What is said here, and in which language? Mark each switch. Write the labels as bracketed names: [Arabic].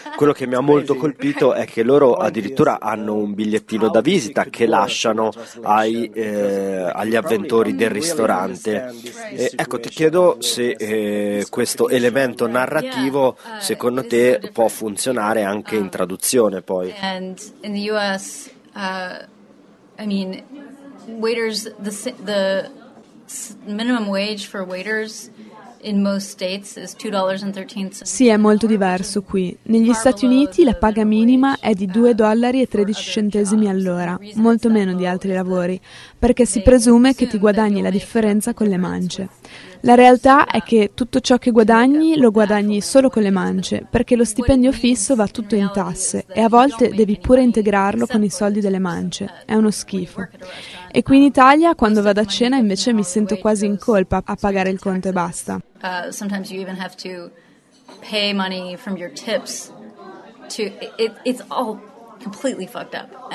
[Italian] Quello che mi ha molto colpito è che loro addirittura hanno un bigliettino da visita che lasciano agli avventori del ristorante. Ecco, ti chiedo se questo elemento narrativo secondo te può funzionare anche in traduzione poi. [English] And in the US I mean waiters the minimum wage for waiters in most states is $2.13. [Italian] Sì, è molto diverso qui. Negli Stati Uniti la paga minima è di $2.13 all'ora, molto meno di altri lavori, perché si presume che ti guadagni la differenza con le mance. La realtà è che tutto ciò che guadagni lo guadagni solo con le mance, perché lo stipendio fisso va tutto in tasse e a volte devi pure integrarlo con i soldi delle mance. È uno schifo. E qui in Italia, quando vado a cena, invece mi sento quasi in colpa a pagare il conto e basta. [English] Sometimes you even have to pay money from your tips to it's all completely fucked up.